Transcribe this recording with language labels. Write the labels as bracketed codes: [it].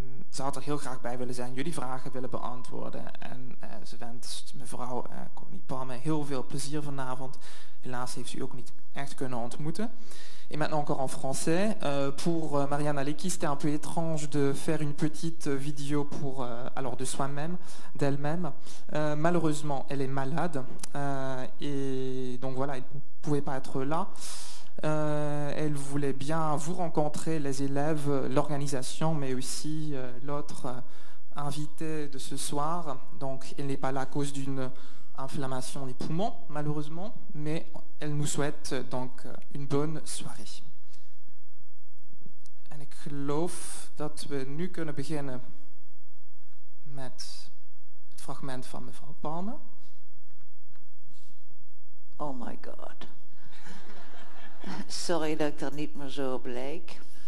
[nl] Ze had er heel graag bij willen zijn, jullie vragen willen beantwoorden. En ze wenst mevrouw Connie Palme heel veel plezier vanavond. Helaas heeft ze u ook niet echt kunnen ontmoeten. [fr] Et maintenant encore en français. Pour Marjana Likkie, c'était un peu étrange de faire une petite vidéo pour, alors de soi-même, d'elle-même. Malheureusement, elle est malade. Et donc voilà, elle ne pouvait pas être là. Elle voulait bien vous rencontrer, les élèves, l'organisation, mais aussi l'autre invité de ce soir. Donc, elle n'est pas là à cause d'une inflammation des poumons, malheureusement, mais elle nous souhaite donc une bonne soirée. [nl] En ik geloof dat we nu kunnen beginnen met het fragment van mevrouw Palme. [en] Oh my god. [nl] Sorry dat ik er niet meer zo op lijk.